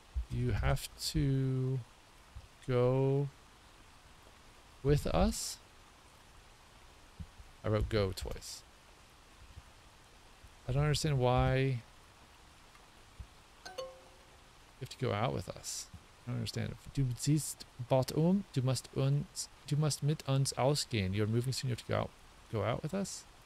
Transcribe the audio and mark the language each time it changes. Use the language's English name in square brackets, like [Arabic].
[English] You have to go with us. I wrote go twice. I don't understand why you have to go out with us. I don't understand. [German] Du siehst bald um, du musst mit uns ausgehen. [English] You're moving soon, you have to go out with us?